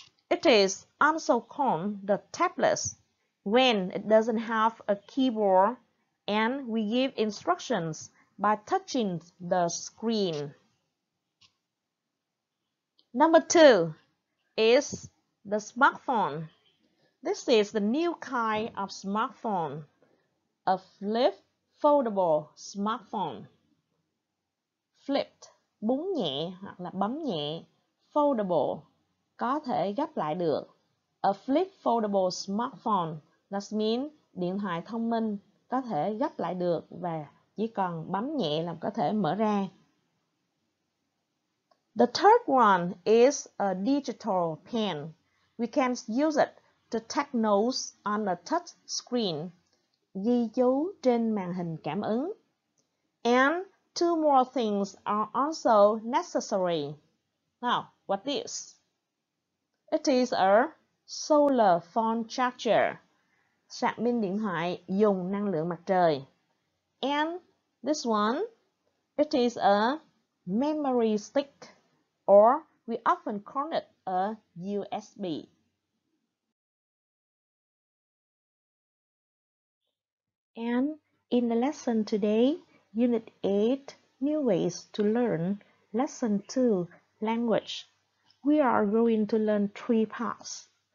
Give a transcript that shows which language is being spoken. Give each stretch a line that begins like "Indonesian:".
English: It is also called the tablet when it doesn't have a keyboard and we give instructions by touching the screen. Number two is the smartphone. This is the new kind of smartphone, a flip foldable smartphone.
Vietnamese: Flipped, búng nhẹ hoặc là bấm nhẹ, foldable, có thể gấp lại được.
English: A flip foldable smartphone, that means
Vietnamese: điện thoại thông minh, có thể gấp lại được và chỉ cần bấm nhẹ là có thể mở ra.
English: The third one is a digital pen. We can use it to take notes on the touch screen,
Vietnamese: ghi chú trên màn hình cảm ứng.
English: And two more things are also necessary. Now, what is? It is a solar phone charger,
Vietnamese: sạc pin điện thoại dùng năng lượng mặt trời.
English: And this one, it is a memory stick, or we often call it a USB. And in the lesson today, Unit 8, New Ways to Learn, Lesson 2, Language, we are going to learn three parts.